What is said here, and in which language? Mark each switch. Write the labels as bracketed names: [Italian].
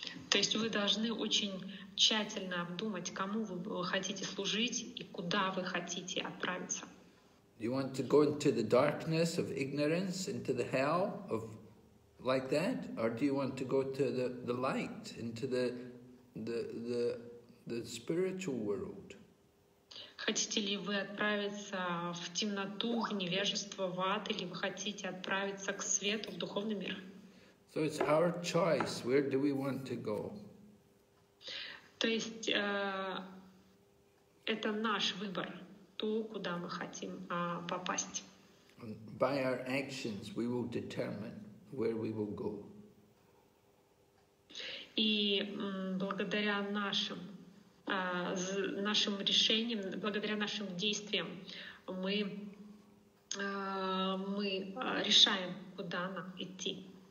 [Russian] То есть вы должны очень тщательно обдумать, кому вы хотите служить и куда вы хотите отправиться. [English] You want to go into the darkness of ignorance, into the hell of like that, or do you want to go to the light, into the spiritual world? [Russian] Хотите ли вы отправиться в темноту, в невежество, в ад, или вы хотите отправиться к свету, в духовный мир? [English] So it's our choice. Where do we want to go? [Russian] То есть это наш выбор, то, куда мы хотим попасть. [English] By our actions, we will determine where we will go. [Russian] И благодаря нашим решениям, благодаря нашим действиям, мы решаем, куда нам идти.